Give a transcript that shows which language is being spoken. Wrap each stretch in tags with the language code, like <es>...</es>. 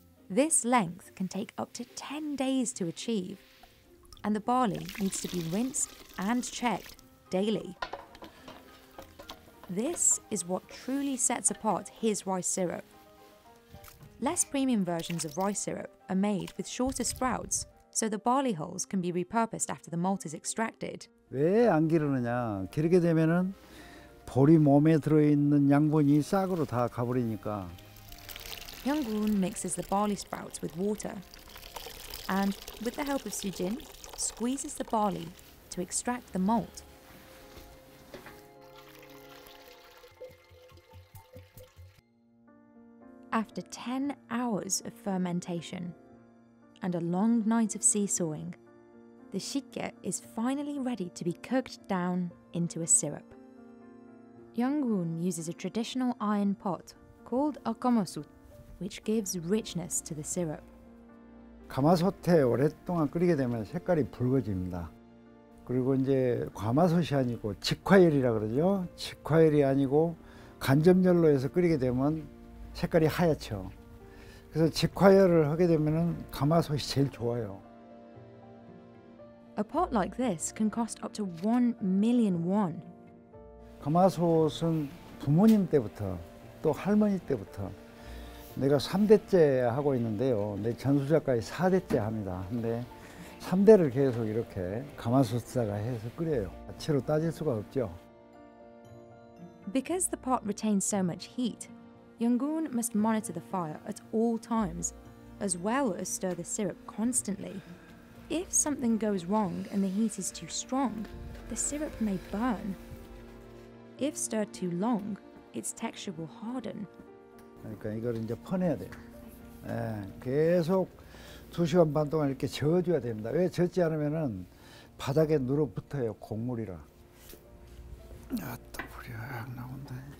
<en>This length can take up to 10 days to achieve, and the barley needs to be rinsed and checked daily. This is what truly sets apart his rice syrup. Less premium versions of rice syrup are made with shorter sprouts, so the barley hulls can be repurposed after the malt is extracted.</en> <ko>왜 안 기르느냐? 기르게 되면은 보리 몸에 들어있는 양분이 싹으로 다 가버리니까.</ko> <en>Young Goon mixes the barley sprouts with water and, with the help of Sujin, squeezes the barley to extract the malt. After 10 hours of fermentation and a long night of seesawing, the shikke is finally ready to be cooked down into a syrup. Young Goon uses a traditional iron pot called a komosut, which gives richness to the syrup.</en> <ko>가마솥에 오랫동안 끓이게 되면 색깔이 붉어집니다. 그리고 이제 가마솥이 아니고 직화열이라 그러죠. 직화열이 아니고 간접열로 해서 끓이게 되면 색깔이 하얗죠. 그래서 직화열을 하게 되면은 가마솥이 제일 좋아요.</ko> <en>A pot like this can cost up to 1,000,000 won.</en> <ko>가마솥은 부모님 때부터 또 할머니 때부터 내가 3대째 하고 있는데요. 내 전수자까지 4대째 합니다. 근데 3대를 계속 이렇게 가마솥에다가 해서 끓여요. 가치로 따질 수가 없죠.</ko> <en>Because the pot retains so much heat, Young Goon must monitor the fire at all times, as well as stir the syrup constantly. If something goes wrong and the heat is too strong, the syrup may burn. If stirred too long, its texture will harden.</en> <ko>그러니까 이걸 이제 퍼내야 돼요. 예, 계속 2시간 반 동안 이렇게 저어줘야 됩니다. 왜 젖지 않으면은 바닥에 눌어붙어요, 곡물이라. 아, 또 불이 확 나온다.</ko>